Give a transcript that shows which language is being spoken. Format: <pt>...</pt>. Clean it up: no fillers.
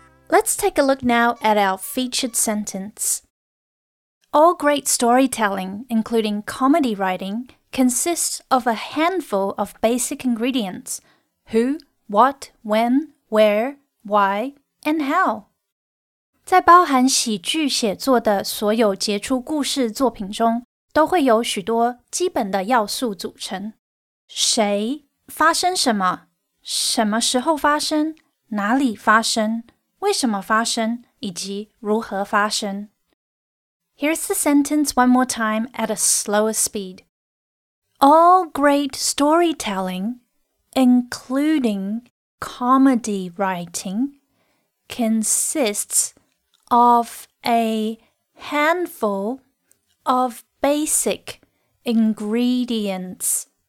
<en>Let's take a look now at our featured sentence. All great storytelling, including comedy writing, consists of a handful of basic ingredients: who, what, when, where, why, and how.</en> <zh>在包含喜剧写作的所有杰出故事作品中，都会有许多基本的要素组成。谁，发生什么，什么时候发生，哪里发生，为什么发生，以及如何发生。</zh> <en>Here's the sentence one more time at a slower speed. All great storytelling, including comedy writing, consists of a handful of basic ingredients.</en>